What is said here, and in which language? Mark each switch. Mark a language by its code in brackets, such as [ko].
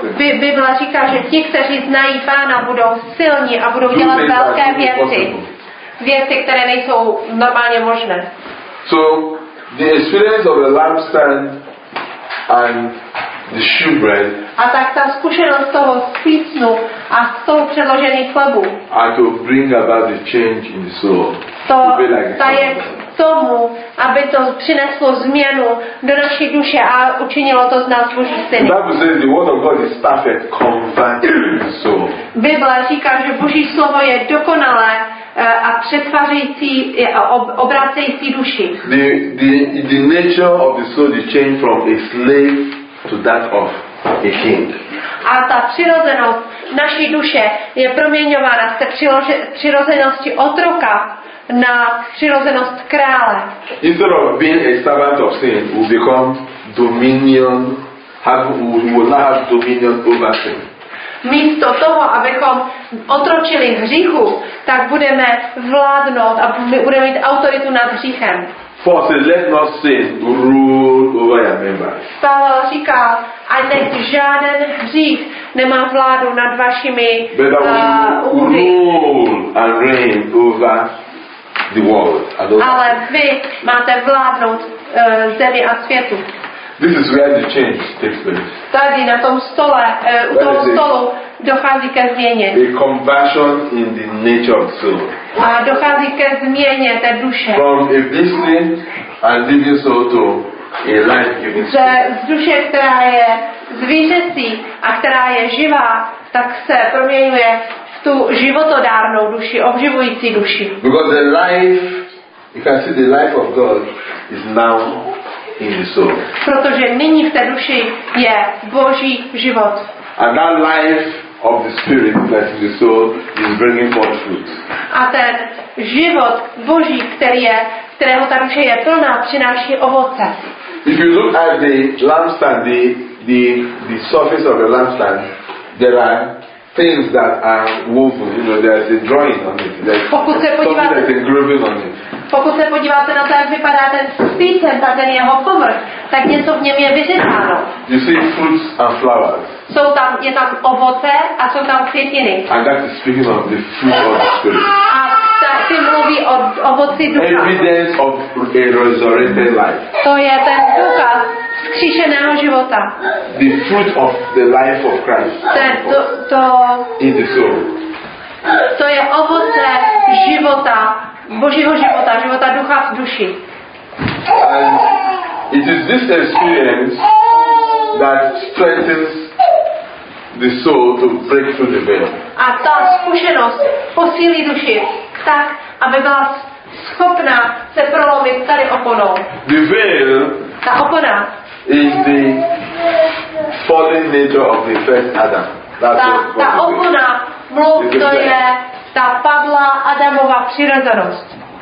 [cs] Bible říká, že ti, kteří znají Pána, budou silní a budou dělat velké věci. Věci, které nejsou normálně možné. [en] So, the experience of the lampstand and the shewbread. [cs] A tak ta zkušenost toho spícnu a stolu předložených chlebů. [en] And to bring about the change in the soul. [cs] To je k tomu, aby to přineslo změnu do naší duše a učinilo to z nás Boží syny. [en] The Bible says the word of God is perfect, converting the soul. [cs] Bible říká, že Boží slovo je dokonalé a přetvářející obracející duši. [en] The nature of the soul is changed from a slave to that of a king. [cs] A ta přirozenost naší duše je proměňována z té přirozenosti otroka na přirozenost krále. [en] Instead of being a servant of sin, we become dominion, have dominion over sin. [cs] Místo toho, abychom otročili hříchu, tak budeme vládnout a budeme mít autoritu nad hříchem. [en] For say, let not sin rule over your members. [cs] Pavel říká, ať nech žádný hřích nemá vládu nad vašimi [en] úry. Rule and reign over the world. [cs] Ale vy máte vládnout zemi a světu. [en] This is where the change takes place. [cs] Tady na tom stole, u toho stolu dochází ke změně. [en] A conversion in the nature of the soul. [cs] A dochází ke změně té duše. [en] From a beastly and living soul to a life-giving soul. [cs] Z duše, která je zvířecí a která je živá, tak se proměňuje v tu životodárnou duši, obživující duši. [en] Because the life, you can see the life of God is now in the soul. [cs] Protože nyní v té duši je Boží život. [en] And that life of the spirit that is the soul is bringing forth fruit. [cs] A ten život Boží, který je, kterého ta duše je plná, přináší ovoce. [en] If you look at the lampstand, the surface of the lampstand, there are things that are woven. You know, there's a drawing on it. There's something that's engraving on it. [cs] Pokud se podíváte na to, jak vypadá ten spícen, ta ten jeho povrch, tak něco v něm je vyřezáno. [en] You see fruits and flowers. [cs] Jsou tam, je tam ovoce a jsou tam květiny. [en] And that is speaking of the fruit of the spirit. [cs] A taky mluví o ovoci ducha. [en] Evidence of a resurrected life. [cs] To je ten důkaz vzkříšeného života. [en] The fruit of the life of Christ. [cs] To [en] in the soul. [cs] To je ovoce života. Božího života, života ducha v duši. [en] And it is this experience that strengthens the soul to break through the veil. [cs] A ta zkušenost posílí duši tak, aby byla schopna se prolomit tady oponou. [en] The veil, [cs] ta opona, [en] is the fallen nature of the first Adam. [cs] Ta opona, mluv, to je ta padlá Adamova přirozenost.